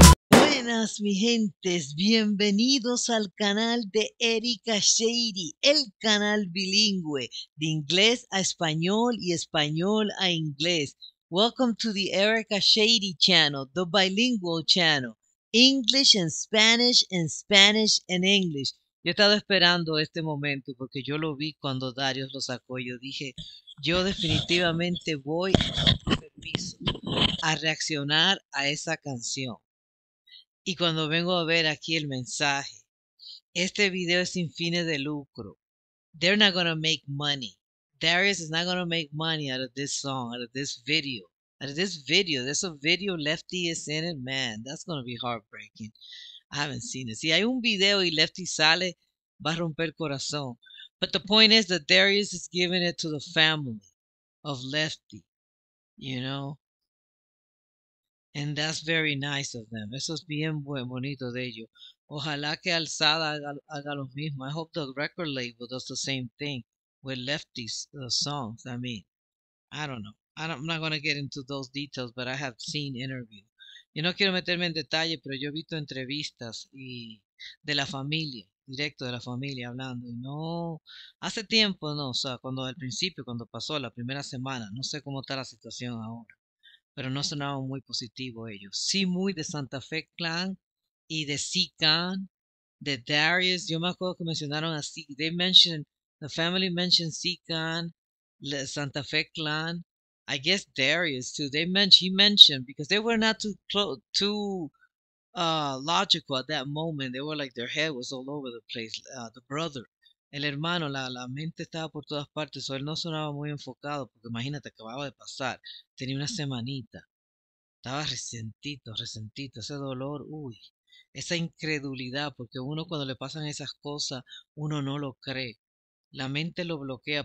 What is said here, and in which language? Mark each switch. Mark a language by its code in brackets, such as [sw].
[es] Buenas, mi gente, bienvenidos al canal de Erika Shady, el canal bilingüe de inglés a español y español a inglés. Welcome to the Erika Shady channel, the bilingual channel, English and Spanish and English. Yo estaba esperando este momento porque yo lo vi cuando Darius lo sacó. Yo dije, yo definitivamente voy a reaccionar a esa canción. Y cuando vengo a ver aquí el mensaje, este video es sin fines de lucro. [en] They're not gonna make money. Darius is not gonna make money out of this song, out of this video. Out of this video, there's a video Lefty is in it. Man, that's gonna be heartbreaking. I haven't seen it. [es] Si hay un video y Lefty sale, va a romper el corazón. [en] But the point is that Darius is giving it to the family of Lefty, you know? And that's very nice of them. [es] Eso es bien bonito de ellos. Ojalá que Alzada haga lo mismo. [en] I hope the record label does the same thing with Lefty's songs. I mean, I don't know. I'm not going to get into those details, but I have seen interviews. [es] Yo no quiero meterme en detalle, pero yo he visto entrevistas y de la familia, directo de la familia hablando. Y no, hace tiempo, no. O sea, cuando al principio, cuando pasó la primera semana. No sé cómo está la situación ahora. Pero no sonaban muy positivos ellos. Sí, muy de Santa Fe Clan y de Sican, de Darius. Yo me acuerdo que mencionaron a Sican. [en] They mentioned, the family mentioned Sican, Santa Fe Clan. I guess Darius too. They mentioned, he mentioned, because they were not too logical at that moment. They were like, their head was all over the place. The brother, [es] el hermano, la mente estaba por todas partes. So él no sonaba muy enfocado, porque imagínate, acababa de pasar. Tenía una semanita. Estaba resentito. Ese dolor, uy. Esa incredulidad, porque uno cuando le pasan esas cosas, uno no lo cree. La mente lo bloquea.